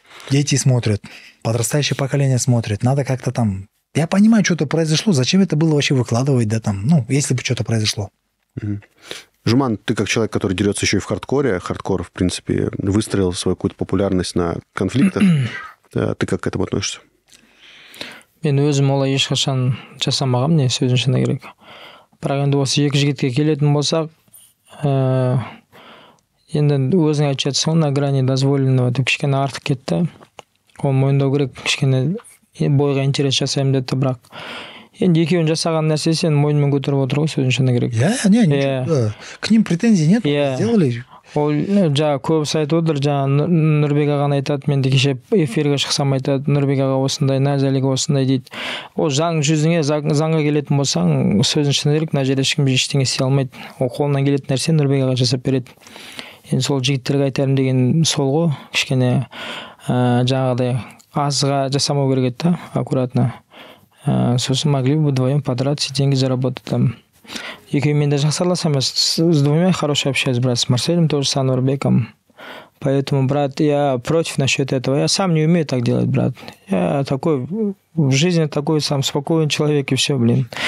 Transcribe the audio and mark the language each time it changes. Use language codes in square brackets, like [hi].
[ru] Дети смотрят, подрастающее поколение смотрит. Надо как-то там Я понимаю, что-то произошло. Зачем это было вообще выкладывать, да, там, ну, если бы что-то произошло. Жуман, ты как человек, который дерется еще и в хардкоре, хардкор, в принципе, выстроил свою какую-то популярность на конфликтах. Ты как к этому относишься? [kk] Мен өзім олай ешқашан жасамағам, не сөзің шыны керек. Бірақ енді осы екі жігітке келетін болсақ, енді өзің айтшатсың, [ru] на грани дозволенного [kk] деп кішкене артық кетті. Ол мойындау керек, кішкене бойға интерес жасаймын деді, бірақ енді екеуін жасаған нәрсе сен мойынмен көтеріп отыр ғой, сөзің шыны керек. [ru] К ним претензий нет, сделали. [kk] Ол жаңа көбісі айтып отыр, жаңа Нұрбек ағаны айтады, мен де кеше эфирге шықсам айтады, Нұрбек аға осындай, Назәлік осындай дейді. Ол заң жүзіне, заңға келетін болсаң, сөзің шыны керек, мына жерде ешкім ештеңе істей алмайды. Ол қолынан келетін нәрсе Нұрбек аға жасап береді. Енді сол жігіттерге айтарым деген сол ғой, кішкене жаңағыдай азға жасамау керек еді, аккуратно. [ru] Сосын могли бы вдвоем подраться, деньги заработать там. [kk] Екеуімен де жақсы араласам, [ru] с двумя хорошо общаюсь, брат, с Марселем тоже, с Анварбеком. Поэтому, брат, я против насчет этого. Я сам не умею так делать, брат. Я такой, в жизни такой сам спокойный человек, и все, блин.